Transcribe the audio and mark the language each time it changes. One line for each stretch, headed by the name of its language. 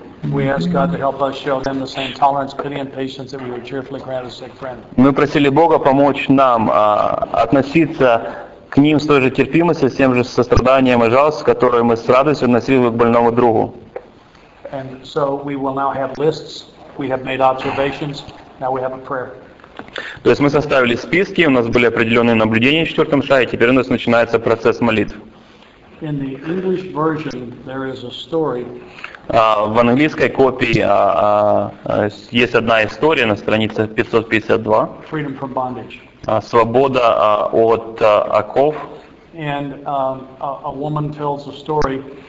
English: We ask God to help us show them the same tolerance, pity, and patience that we would cheerfully grant a sick friend.
Russian: Мы просили Бога помочь нам относиться к ним с той же терпимостью, с тем же состраданием и жалостью, которые мы с радостью относили бы к больному другу.
English: And so we will now have lists. We have made observations. Now we have a prayer.
Russian: То есть мы составили списки, у нас были определенные наблюдения в четвертом шаге, теперь у нас начинается процесс молитв.
English: In the English version, there is a story.
Russian: В английской копии есть одна история на странице 552.
English: Freedom from bondage.
Russian: Свобода от оков.
English: And a woman tells a story.